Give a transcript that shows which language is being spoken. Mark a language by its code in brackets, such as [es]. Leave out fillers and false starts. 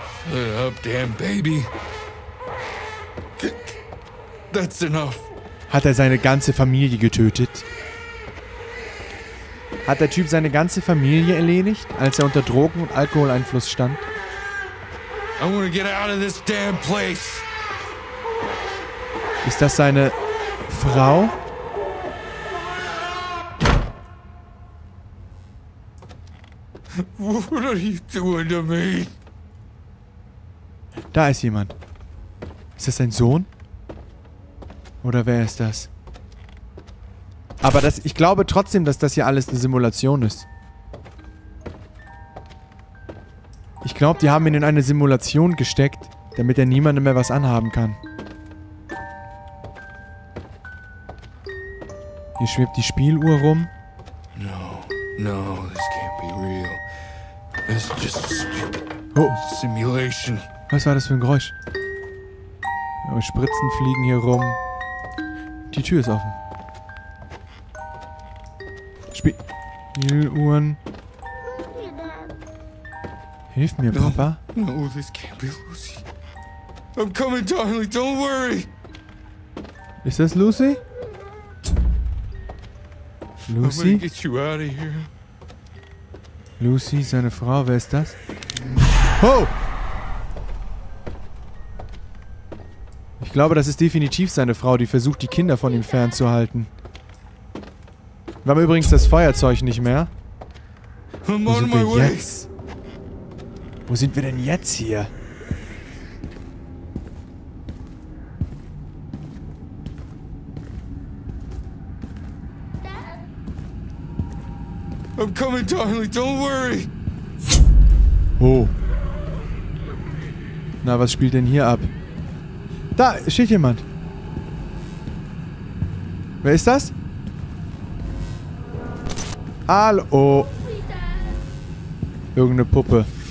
[en] Shut up, damn baby. That's enough. [de] Hat er seine ganze Familie getötet? Hat der Typ seine ganze Familie erledigt, als er unter Drogen- und Alkoholeinfluss stand? [en] I want to get out of this damn place. [de] Ist das seine Frau? [en] What are you doing to me? [de] Da ist jemand. Ist das sein Sohn? Oder wer ist das? Aber das, ich glaube trotzdem, dass das hier alles eine Simulation ist. Ich glaube, die haben ihn in eine Simulation gesteckt, damit er niemandem mehr was anhaben kann. Hier schwebt die Spieluhr rum. [en] No, no, this can't be real. It's just a stupid simulation. [de] Was war das für ein Geräusch? Spritzen fliegen hier rum. Die Tür ist offen. Spieluhren. Hilf mir, Papa. [en] No, no, this can't be Lucy. I'm coming, darling, don't worry. [de] Ist das Lucy? Lucy? [en] I'm gonna get you out of here. [de] Lucy, seine Frau, wer ist das? Oh! Ich glaube, das ist definitiv seine Frau, die versucht, die Kinder von ihm fernzuhalten. Wir haben übrigens das Feuerzeug nicht mehr. Wo sind wir jetzt? Wo sind wir denn jetzt hier? [en] I'm coming, darling, don't worry! Oh. [de] Na, was spielt denn hier ab? Da steht jemand. Wer ist das? Hallo. Irgendeine Puppe.